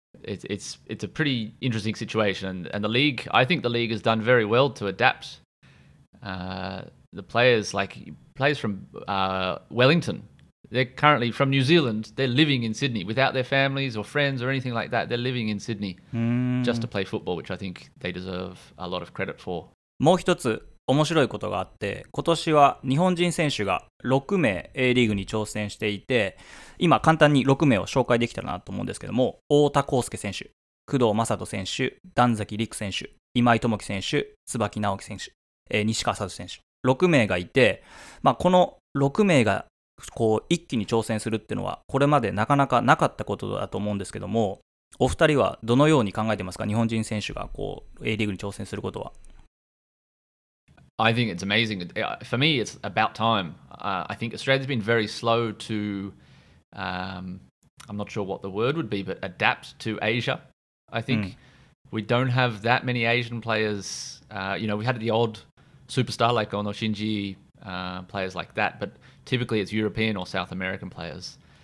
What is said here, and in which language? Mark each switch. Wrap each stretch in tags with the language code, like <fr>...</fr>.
<en>It's a pretty interesting situation, and the league, I think the league has done very well to adapt. The players, like players from Wellington, they're currently from New Zealand, they're living in Sydney without their families or friends or anything like that. They're living in Sydney just to play football, which I think they deserve a lot of credit for.</en> <ja>もう一つ面白いことがあって、今年は日本人選手が6名 A リーグに挑戦していて、今簡単に6名を紹介できたらなと思うんですけども、太田康介選手、工藤正人選手、段崎陸選手、今井智樹選手、椿直樹選手、西川聡選手、6名がいて、まあ、この6名がこう一気に挑戦するっていうのはこれまでなかなかなかったことだと思うんですけども、お二人はどのように考えてますか、日本人選手がこう A リーグに挑戦することは。</ja> <en>I think it's amazing. For me, it's about time. I think Australia's been very slow to, I'm not sure what the word would be, but adapt to Asia. I think we don't have that many Asian players. You know, we had the odd superstar like Ono Shinji, players like that, but typically it's European or South American players.</en>